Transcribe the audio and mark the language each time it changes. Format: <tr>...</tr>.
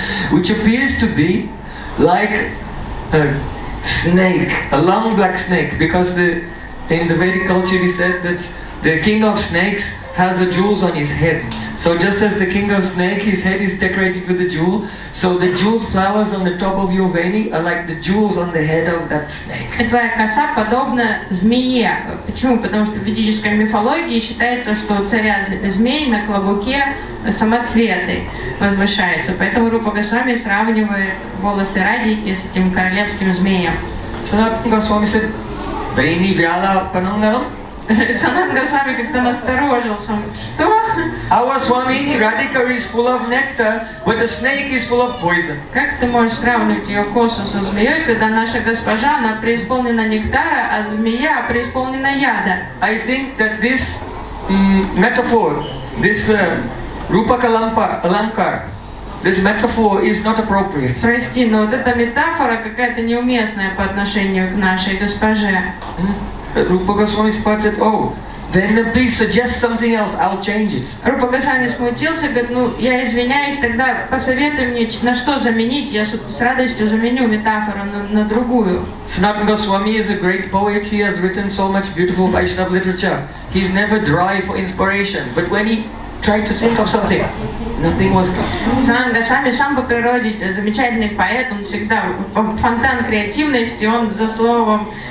<en>Which appears to be like a snake, a long black snake, because in the Vedic culture we said that the king of snakes has a jewel on his head. So just as the king of snake, his head is decorated with a jewel, so the jeweled flowers on the top of your veni are like the jewels on the head of that snake.</en> <ru>Твоя коса подобна змее. Почему? Потому что в ведической мифологии считается, что у царя змей на клобуке самоцветы возвышаются. Поэтому Рупа Госвами сравнивает волосы Радики с этим королевским змеем.</ru> <en>Санатана Госвами said,</en> <sa>veni vyala panangam.</sa> <ru>Sanatana Goswami как-то насторожился. Что?</ru> <en>Our Swami Radhika is full of nectar, but a snake is full of poison.</en> <ru>Как ты можешь сравнить ее косу со змеей, когда наша госпожа, она преисполнена нектара, а змея преисполнена яда?</ru> <en>I think that this metaphor, this Rupa Kalampa, Alankar, This metaphor is not appropriate.</en> <ru>Прости, но вот эта метафора какая-то неуместная по отношению к нашей госпоже.</ru> <en>Рупа Госвами</en> <ru>спрашивает:</ru> <en>О, then please suggest something else, I'll change it.</en> <ru>Рупа Госвами смутился, говорит: Ну, я извиняюсь, тогда посоветуй мне, на что заменить, я с радостью заменю метафору на другую.</ru> <en>Санатан Госвами is a great poet, he has written so much beautiful Vaishnava literature. He's never dry for inspiration, but when he tried to think of something, nothing was coming.</en> <ru>Санатан Госвами сам по природе замечательный поэт, он всегда фонтан креативности, он за словом.</ru>